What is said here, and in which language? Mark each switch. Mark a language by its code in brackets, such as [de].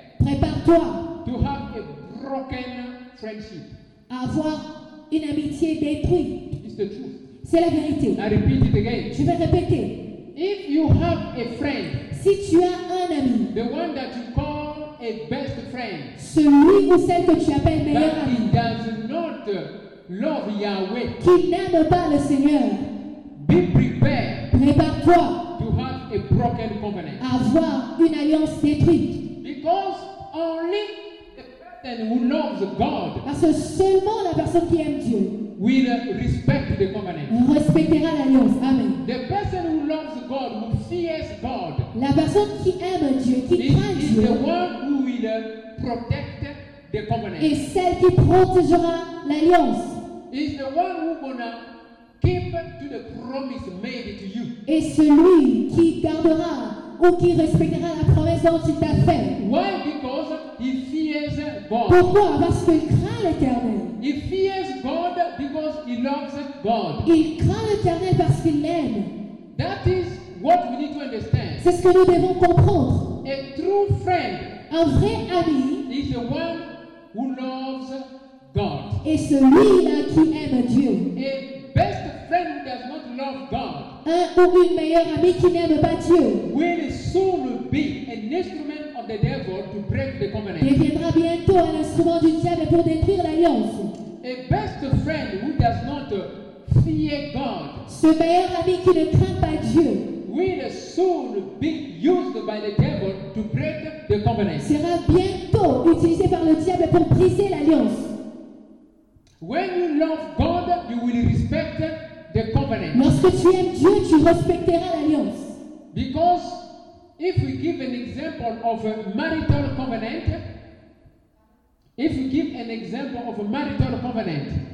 [fr] Prépare-toi. [en] To have a broken friendship. [fr] Avoir une amitié détruite. [en] It's the truth. [fr] C'est la vérité. [en] I repeat it again. [fr] Je vais répéter. [en] If you have a friend. [fr] Si tu as un ami. [en] The one that you call a best friend. [fr] Celui ou celle que tu appelles meilleur ami. [en] But he does not love Yahweh. [fr] Qui n'aime pas le Seigneur. [en] Be prepared. [fr] Prépare-toi. [en] To have a broken covenant. [fr] Avoir une alliance détruite. [en] Because only the person who loves God. [fr] Parce que seulement la personne qui aime Dieu. [en] Will respect the covenant. [fr] Respectera l'alliance. Amen. [en] The person who loves God, who fears God. [fr] La personne qui aime Dieu, qui craint Dieu. [en] Is the one who will protect the covenant. [fr] Et celle qui protégera l'alliance. [en] Is the one who gonna keep to the promise made to you. [fr] Et celui qui gardera ou qui respectera la promesse dont il t'a fait. [en] Why? Because he fears God. [fr] Pourquoi? Parce qu'il craint l'Éternel. [en] He fears God because he loves God. [fr] Il craint l'Éternel parce qu'il l'aime. [en] That is what we need to understand. [fr] C'est ce que nous devons comprendre. [en] A true friend. [fr] Un vrai ami. [en] Is the one who loves God. [fr] Et celui-là qui aime Dieu. [en] Best friend who does not love God. [fr] Un ou une meilleure amie qui n'aime pas Dieu. [en] Will soon be an instrument of the devil to break the covenant. [fr] Deviendra bientôt un instrument du diable pour détruire l'alliance. [en] A best friend who does not fear God. [fr] Ce meilleur ami qui ne craint pas Dieu. [en] Will soon be used by the devil to break the covenant. [fr] Sera bientôt utilisé par le diable pour briser l'alliance. [en] When you love God, you will respect the covenant. [fr] Lorsque tu aimes Dieu, tu respecteras l'alliance. [en] Because if we give an example of a marital covenant, if we give an example of a marital covenant,